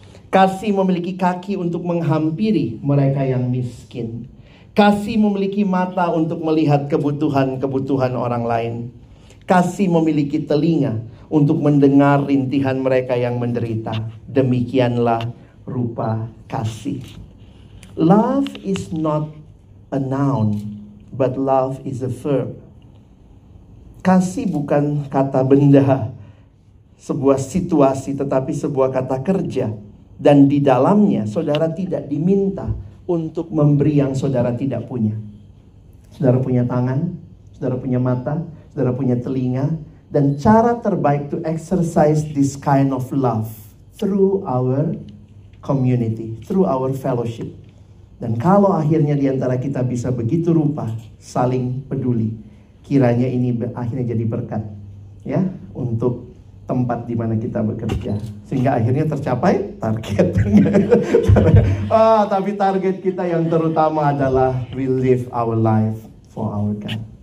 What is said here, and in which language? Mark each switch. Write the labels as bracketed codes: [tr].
[id] Kasih memiliki kaki untuk menghampiri mereka yang miskin. Kasih memiliki mata untuk melihat kebutuhan-kebutuhan orang lain. Kasih memiliki telinga untuk mendengar rintihan mereka yang menderita. Demikianlah rupa kasih. [en] Love is not a noun, but love is a verb. [id] Kasih bukan kata benda, sebuah situasi, tetapi sebuah kata kerja. Dan di dalamnya, saudara tidak diminta untuk memberi yang saudara tidak punya. Saudara punya tangan, saudara punya mata, saudara punya telinga. Dan cara terbaik [en] to exercise this kind of love through our community, through our fellowship. [id] Dan kalau akhirnya diantara kita bisa begitu rupa saling peduli, kiranya ini akhirnya jadi berkat ya untuk tempat di mana kita bekerja, sehingga akhirnya tercapai targetnya. Oh, tapi target kita yang terutama adalah [en] we live our life for our God.